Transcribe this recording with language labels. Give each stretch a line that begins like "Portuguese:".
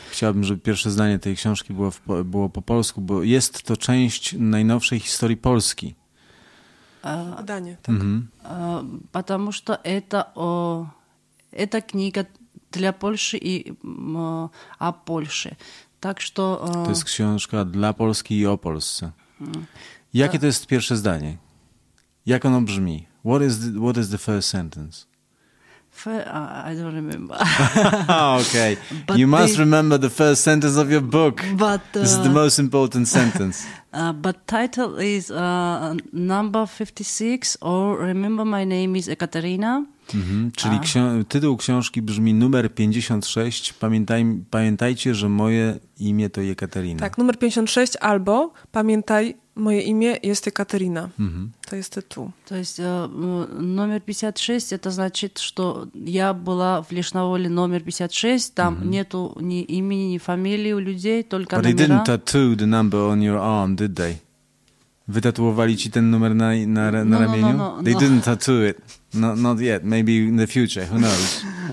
Polish: Chciałbym, żeby pierwsze zdanie tej książki było po polsku, bo jest to część najnowszej historii Polski. Zdanie, tak. Mm-hmm.
Russian: Потому что это книга для Польши и о Польше. Так что,
Polish: to jest książka dla Polski i o Polsce. Jakie to jest pierwsze zdanie? Jak ono brzmi?
English: What is the first sentence? I don't remember. Okay. But you must remember the first sentence of your book. But this is the most important sentence. But title is number 56, or remember my name is Ekaterina. Mm-hmm.
Polish: Czyli tytuł książki brzmi numer 56. Pamiętajcie, że moje imię to Ekaterina. Tak, numer 56 albo pamiętaj, moje imię jest Ekaterina. Mm-hmm. To jest tytuł. To jest numer 56, to znaczy, że ja była w Lesznowoli numer 56. Tam mm-hmm.
Russian: nie tu ni imieni, ni familii u ludzi, tylko numera.
English: But they didn't tattoo the number on your arm, did they?
Polish: Wytatuowali ci ten numer na ramieniu?
English: No. They didn't tattoo it. No, not yet, maybe in the future, who knows?